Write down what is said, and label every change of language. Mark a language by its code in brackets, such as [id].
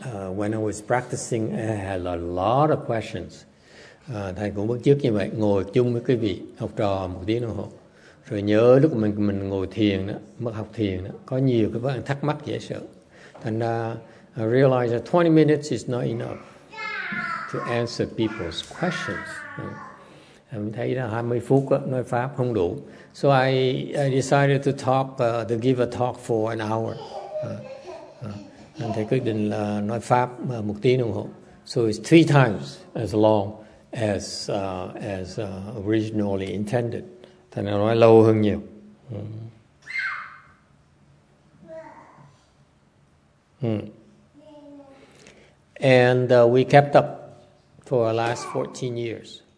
[en] When I was practicing, I had a lot of questions. [vi] Thầy cũng bước trước như vậy, ngồi chung với quý vị học trò một tiếng đồng hồ. Rồi nhớ lúc mình ngồi thiền đó, mất học thiền đó, có nhiều cái vấn thắc mắc dễ sợ. Thành ra, [en] I realized that 20 minutes is not enough to answer people's questions. [vi] Em thấy là 20 phút đó, nói pháp không đủ. [en] So I decided to talk, to give a talk for an hour. [vi] Thầy quyết định là nói pháp một tiếng đồng hồ. [en] So it's three times as long as originally intended. [vi] Thầy nói lâu hơn nhiều. [en] And we kept up for the last 14 years.